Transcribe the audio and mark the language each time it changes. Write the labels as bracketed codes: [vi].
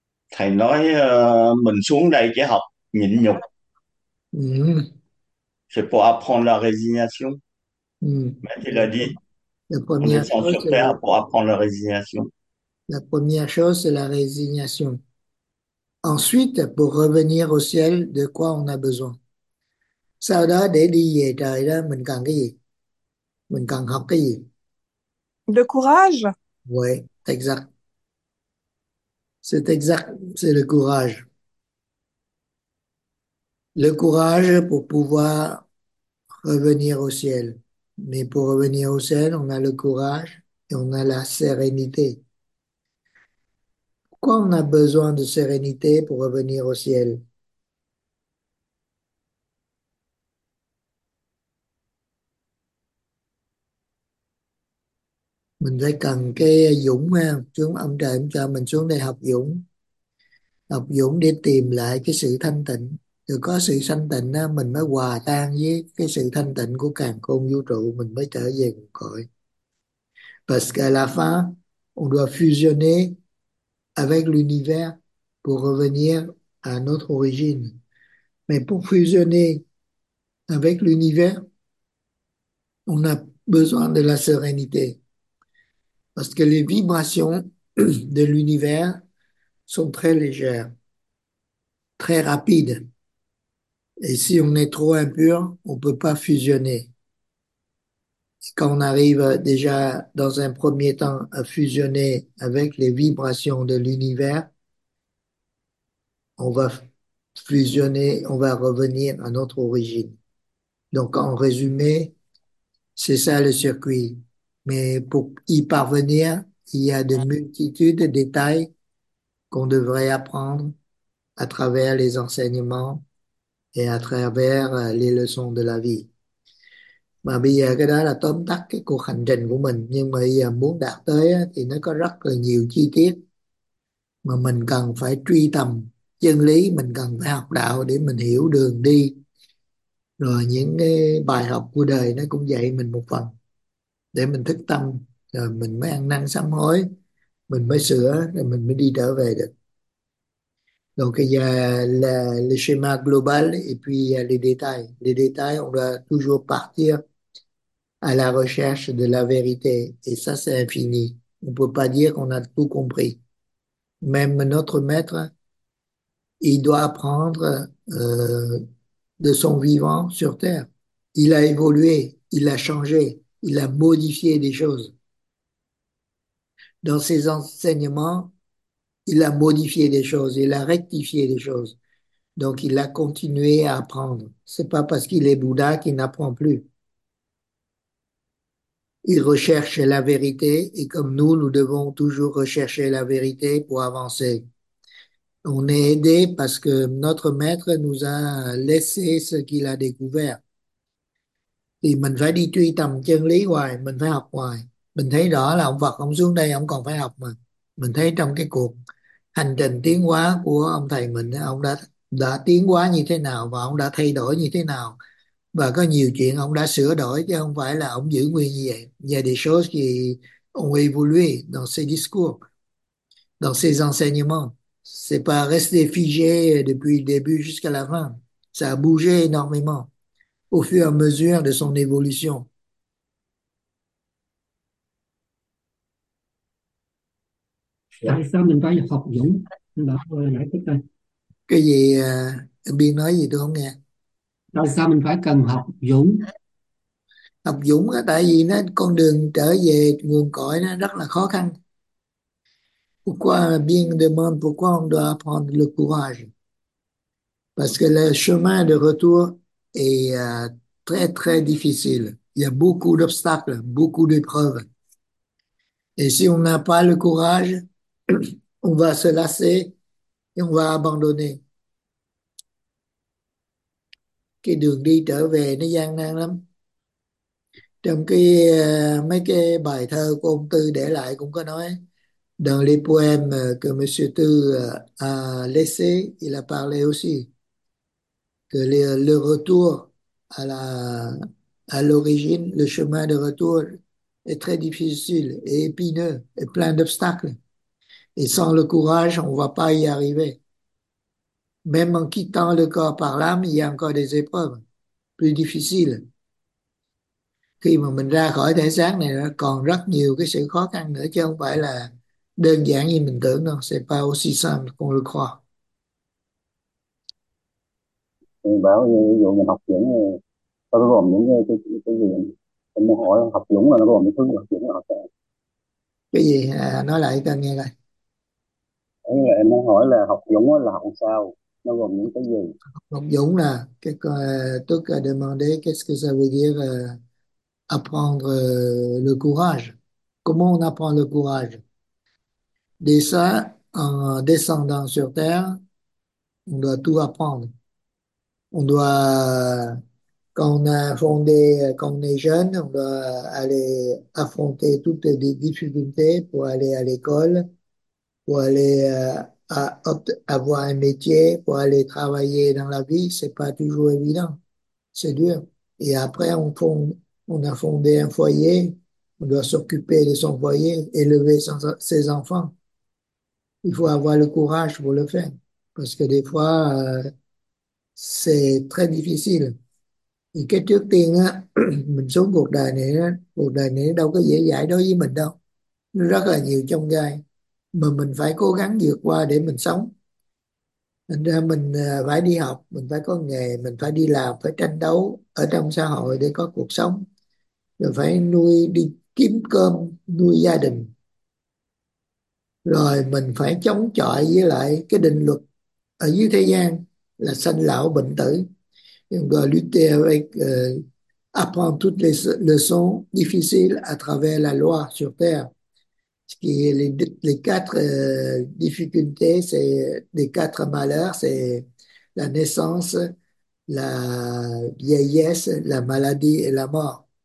[vi] Thầy nói mình xuống đây chỉ học nhịn nhục. [fr] C'est pour apprendre la résignation. Mais tu l'as dit, on descend sur terre pour apprendre la résignation. La première chose, c'est la résignation. Ensuite, pour revenir au ciel, de quoi on a besoin? [vi] Sau đó để đi về trời đó mình cần cái gì? Mình cần học cái gì? [fr] Le courage. Oui, exact. C'est exact, c'est le courage. Le courage pour pouvoir revenir au ciel. Mais pour revenir au ciel, on a le courage et on a la sérénité. Pourquoi on a besoin de sérénité pour revenir au ciel? [vi] Mình phải cần cái dũng ha, chúng ông trời ông cho mình xuống đây học dũng để tìm lại cái sự thanh tịnh, Có sự sanh tịnh á, mình mới hòa tan với cái sự thanh tịnh của càn khôn vũ trụ, mình mới trở về cội. [fr] Parce qu'à la fin, on doit fusionner avec l'univers pour revenir à notre origine. Mais pour fusionner avec l'univers, on a besoin de la sérénité. Parce que les vibrations de l'univers sont très légères, très rapides. Et si on est trop impur, on peut pas fusionner. Et quand on arrive déjà dans un premier temps à fusionner avec les vibrations de l'univers, on va fusionner, on va revenir à notre origine. Donc, en résumé, c'est ça le circuit. Mais pour y parvenir, il y a de multitudes de détails qu'on devrait apprendre à travers les enseignements et à travers les leçons de la vie. [vi] Mà bây giờ cái đó là tóm tắt cái cuộc hành trình của mình, nhưng mà bây giờ muốn đạt tới thì nó có rất là nhiều chi tiết mà mình cần phải truy tầm chân lý, mình cần phải học đạo để mình hiểu đường đi. Rồi những cái bài học của đời nó cũng dạy mình một phần để mình thức tâm, rồi mình mới ăn năn sám hối, mình mới sửa, rồi mình mới đi trở về được. [fr] Donc il y a le schéma global et puis il y a les détails. Les détails, on doit toujours partir à la recherche de la vérité. Et ça, c'est infini. On ne peut pas dire qu'on a tout compris. Même notre maître, il doit apprendre de son vivant sur Terre. Il a évolué, il a changé, il a modifié des choses. Dans ses enseignements, il a modifié des choses, il a rectifié des choses. Donc, il a continué à apprendre. C'est pas parce qu'il est Bouddha qu'il n'apprend plus. Il recherche la vérité et comme nous, nous devons toujours rechercher la vérité pour avancer. On est aidé parce que notre maître nous a laissé ce qu'il a découvert. [vi] Thì mình phải đi truy tầm chân lý hoài, mình phải học hoài. Mình thấy rõ là ông Phật ông xuống đây, ông còn phải học mà. Mình thấy trong cái cuộc hành trình tiến hóa của ông thầy mình, ông đã tiến hóa như thế nào và ông đã thay đổi như thế nào, và có nhiều chuyện ông đã sửa đổi chứ không phải là ông giữ nguyên như vậy. [fr] Il y a des choses qui ont évolué dans ses discours, dans ses enseignements. C'est pas resté figé depuis le début jusqu'à la fin. Ça a bougé énormément au fur et à mesure de son évolution. [vi] Tại sao mình phải học dũng? Là tôi giải thích đây. Cái gì Biên nói gì tôi không nghe. Tại sao mình phải cần học dũng? Học dũng á, tại vì nó con đường trở về nguồn cội nó rất là khó khăn. [fr] Pourquoi bien demande pourquoi on doit prendre le courage? Parce que le chemin de retour est très très difficile. Il y a beaucoup d'obstacles, beaucoup d'épreuves. Et si on n'a pas le courage, on va se lasser. Et on va abandonner. [vi] Cái đường đi trở về nó gian nan lắm. Trong mấy cái bài thơ của ông Tư để lại cũng có nói, [fr] dans les poèmes que Monsieur Tư a laissé, il a parlé aussi que le retour à l'origine, le chemin de retour est très difficile et épineux et plein d'obstacles. Et sans le courage, on ne va pas y arriver. Même en quittant le corps par l'âme, il y a encore des épreuves plus difficiles. [vi] Khi mà mình ra khỏi thể xác này, nó còn rất nhiều cái sự khó khăn nữa, chứ không phải là đơn giản như mình tưởng đâu. [fr] C'est pas aussi simple qu'on le croit. [vi] Mình bảo như ví dụ mình học dũng thì nó gồm những cái gì, mình muốn hỏi học dũng là nó gồm những thứ gì, học dũng là học cái Cái gì à, nói lại cho nghe coi. là em muốn hỏi là học dũng là học sao, nó gồm những cái gì. Học dũng là cái tôi [fr] demandé qu'est-ce que ça veut dire apprendre le courage. Comment on apprend le courage? Déjà, en descendant sur Terre, on doit tout apprendre. On doit, quand on est jeune, on doit aller affronter toutes les difficultés pour aller à l'école, pour aller avoir un métier pour aller travailler dans la vie, c'est pas toujours évident. C'est dur. Et après, on a fondé un foyer. On doit s'occuper de son foyer, élever ses enfants. Il faut avoir le courage pour le faire. Parce que des fois, c'est très difficile. [vi] Et cái trước tiên á, mình sống cuộc đời này đâu có dễ dãi đối với mình đâu. Nó rất là nhiều chông gai. Mà mình phải cố gắng vượt qua để mình sống. Thành ra mình phải đi học, mình phải có nghề, mình phải đi làm, phải tranh đấu ở trong xã hội để có cuộc sống. Rồi phải nuôi đi kiếm cơm, nuôi gia đình. Rồi mình phải chống chọi với lại cái định luật ở dưới thế gian là sanh lão bệnh tử. [fr] Et on doit lutter avec, apprendre toutes les leçons difficiles à travers la loi sur Terre. Ce qui est les quatre difficultés, c'est les quatre malheurs, c'est la naissance, la vieillesse, la maladie et la mort.